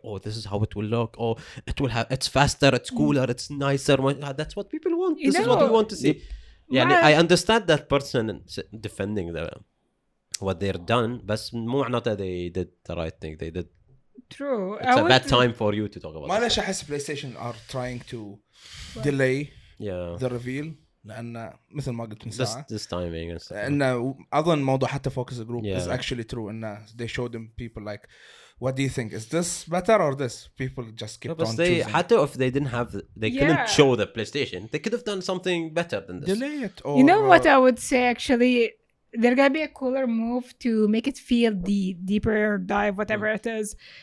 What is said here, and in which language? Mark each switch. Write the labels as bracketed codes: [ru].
[en] Oh, this is how it will look. Oh, it will have, it's faster, it's cooler, it's nicer. That's what people want. You this know, is what we want to see. Yeah, I understand that person defending the what they're done, but [ar] مو معناته [en] they did the right thing. They did. True. It's a bad time for you to talk about. [ar] معلش أحس [en] PlayStation are trying to delay. Yeah. The reveal, [ar] لأن مثل ما قلت من ساعة. [en] This timing and stuff. [ar] إنه أظن موضوع حتى [en] focus group is actually true. [ar] إنه [en] they showed them people like, what do you think? Is this better or this? People just kept on they, choosing. [ar] حتى [en] if they didn't have, they couldn't show the PlayStation, they could have done something better than this. Delay it. Or, you know what I would say actually, there gonna be a cooler move to make it feel the deeper dive, whatever it is.